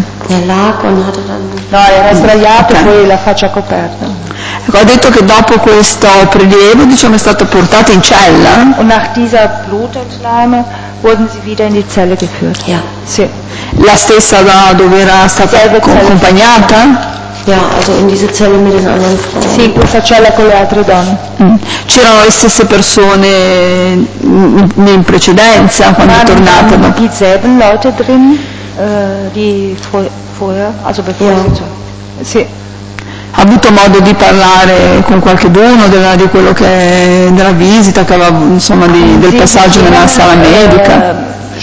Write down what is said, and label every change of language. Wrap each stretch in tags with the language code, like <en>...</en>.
<it>No, era sdraiato e poi la faccia coperta. Ecco, ha detto che dopo questo prelievo, diciamo, è stato portato in cella.</it> <de>Und nach dieser Blutentnahme wurden sie wieder in die Zelle geführt. Ja.</de> <it>Sì. La stessa da dove era stata accompagnata?</it> <de>Ja, also in diese Zelle mit den anderen Frauen.</de> <it>Sì, questa cella con le altre donne. C'erano le stesse persone in precedenza quando è tornata?</it> <de>Ma dieselben Leute drin, die vorher, also bevor sie zu.</de> <it>Sì. Ha avuto modo di parlare con qualcuno di quello che è, della visita che aveva, insomma, del passaggio nella sala medica?</it>